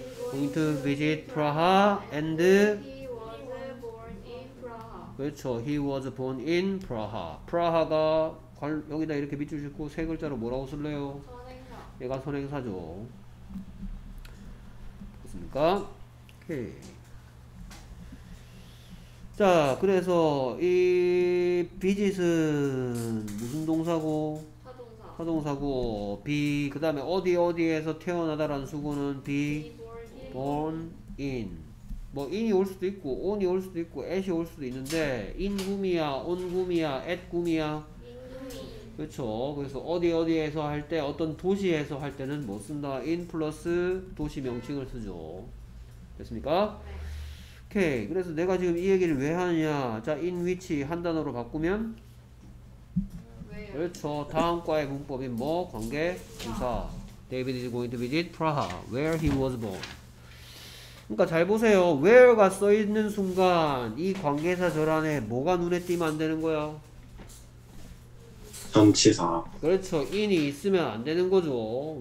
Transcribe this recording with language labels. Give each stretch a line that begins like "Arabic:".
English: going to visit Praha and he was born in Praha.
Korean: 그렇죠.
English: He was born in Praha.
Korean: Praha가 여기다 이렇게 밑줄 짓고 세 글자로 뭐라고 쓸래요? 선행사. 얘가 선행사죠. 그렇습니까? 오케이. 자, 그래서 이 visit은 무슨 동사고? 사동사고 be 그 다음에 어디 어디에서 태어나다라는 수고는 be born in 뭐 in이 올 수도 있고 on이 올 수도 있고 at이 올 수도 있는데 in 구미야 on 구미야 at 구미야
English: in
Korean: 그렇죠. 그래서 어디 어디에서 할 때 어떤 도시에서 할 때는 뭐 쓴다? in 플러스 도시 명칭을 쓰죠. 됐습니까? 오케이. 그래서 내가 지금 이 얘기를 왜 하느냐. 자, in which 한 단어로 바꾸면 그렇죠. 다음 과의 문법인 뭐? 관계 부사.
English: David is going to visit Praha where he was born.
Korean: 그러니까 잘 보세요. where가 써 있는 순간 이 관계사절 안에 뭐가 눈에 띄면 안 되는 거야? 전치사. 그렇죠. in이 있으면 안 되는 거죠.